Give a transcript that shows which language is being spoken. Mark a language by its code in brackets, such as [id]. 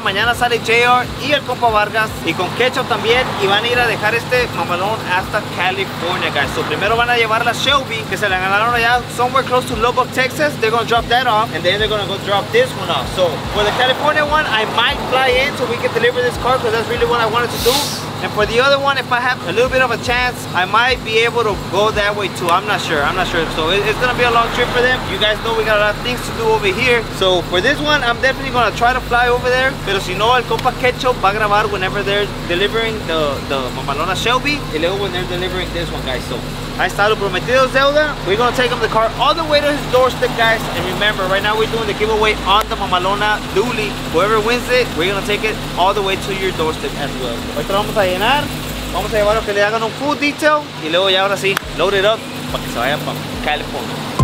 [es] Mañana sale JR y el compa Vargas y con Ketchup también, y van a ir a dejar este mamalón hasta California, guys. So primero van a llevar la Shelby, que se la ganaron allá [en] somewhere close to Lubbock, Texas. They're gonna drop that off, and then they're gonna go drop this one off. So for the California one, I might fly in so we can deliver this car, because that's really what I wanted to do. And for the other one, if I have a little bit of a chance, I might be able to go that way too. I'm not sure. So it's gonna be a long trip for them. You guys know we got a lot of things to do over here. So for this one, I'm definitely gonna try to fly over there. [es] Pero si no, el compa Ketchup va a grabar [en] whenever they're delivering the Mamalona Shelby. [es] Y luego [en] when they're delivering this one, guys. So I started prometido Zelda. We're gonna take him the car all the way to his doorstep, guys. And remember, right now we're doing the giveaway on the Mamalona Dually. Whoever wins it, we're gonna take it all the way to your doorstep as well. [es] Ahorita vamos a llenar, vamos a llevarlo que le hagan un [en] full detail, [es] y luego ya ahora sí, [en] load it up [es] para que se vayan para California.